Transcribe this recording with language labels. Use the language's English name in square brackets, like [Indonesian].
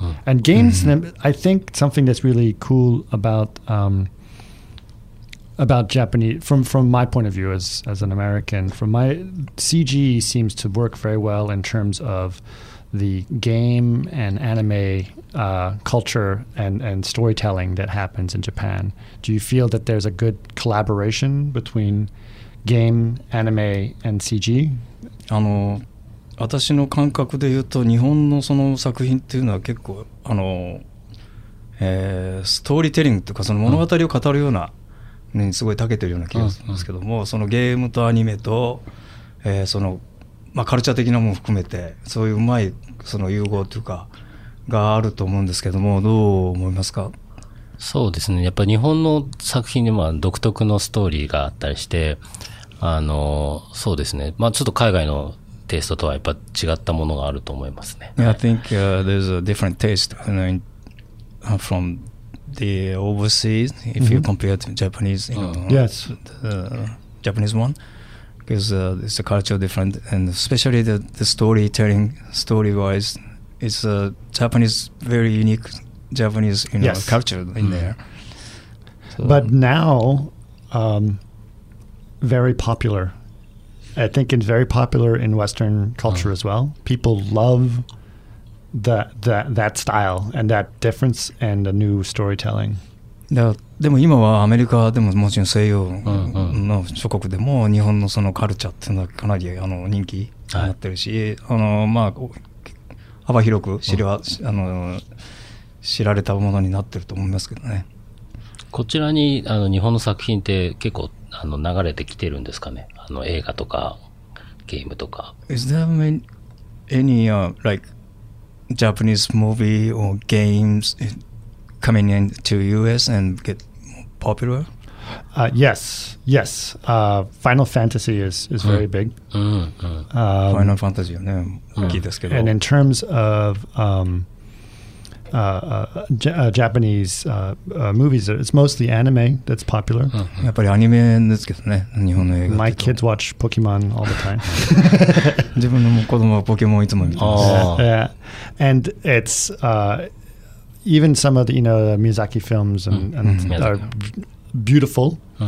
[English] And games, I think something that's really cool about Japanese, from my point of view as an American, CG seems to work very well in terms of the game and anime culture and storytelling that happens in Japan. Do you feel that there's a good collaboration between game, anime, and CG? [Japanese] 私の感覚で言うと日本のその作品っていうのは結構あの、ストーリーテリングというかその物語を語るような、うん、すごい長けてるような気がするんですけども、うんうん、そのゲームとアニメと、そのまあ、カルチャー的なものも含めてそういううまいその融合というかがあると思うんですけどもどう思いますか？そうですね、やっぱり日本の作品にも独特のストーリーがあったりして、あのそうですね、まあ、ちょっと海外のテイストとはやっぱ違ったものがあると思いますね。 [English] Yeah, I think、there's a different taste you know, in, from the overseas if you compare to Japanese you know, yes the Japanese one because、it's a culture different and especially the storytelling story wise it's a Japanese very uniqueJapanese you know, yes. culture in there. So, but now,、very popular. I think it's very popular in Western culture、as well. People love that style and that difference and the new storytelling. [Japanese] でも今はアメリカでももちろん西洋の諸国でも日本のそのカルチャーっていうのはかなりあの人気になってるし、あのまあ幅広く知りは、あの知られたものになってると思いますけどね。こちらにあの日本の作品って結構あの流れてきてるんですかね。あの映画とかゲームとか。 [English] Is there any like Japanese movie or games coming into US and get popular? Yes, yes. Final Fantasy is very big. [Japanese] Final Fantasy ね、大きいですけど。 [English] And in terms of Japanese movies. It's mostly anime that's popular. [Japanese] やっぱりアニメですけどね、日本の映画。 [English] My kids watch Pokemon all the time. [Japanese] 自分の子供はポケモンいつも見てます。 [English] And it's even some of the you know the Miyazaki films and are beautiful.